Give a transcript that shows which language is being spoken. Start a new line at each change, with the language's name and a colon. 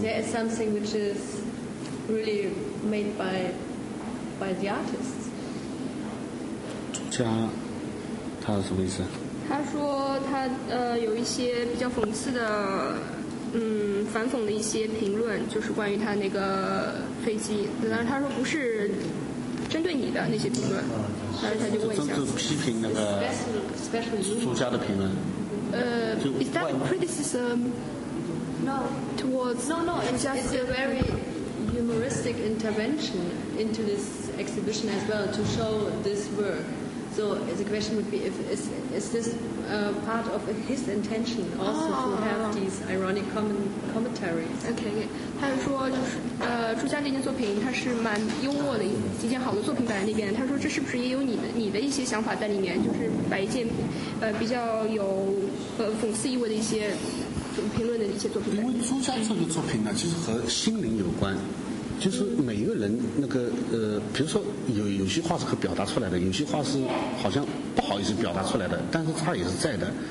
English: There is something which is really made by the artists.
Chinese: 他有什么意思？他说他有一些比较讽刺的，反讽的一些评论，就是关于他那个飞机。但是他说不是针对你的那些评论，但是他就问一下。就批评那个作家的评论。
English: Is that criticism? No. Towards? No, no. It's a very humoristic intervention into this exhibition as well to show this work. So the question would be, is this part of his intention also to have these ironic commentaries?
Chinese: Okay, 他说就是朱家这件作品它是蛮幽默的一件好的作品摆在那边，他说这是不是也有你的一些想法在里面，就是摆一件比较有讽刺意味的一些评论的一些作品。因为朱家这个作品呢，其实和心灵有关，就是每一个人那个比如说有些话是可表达出来的，有些话是好像不好意思表达出来的，但是它也是在的。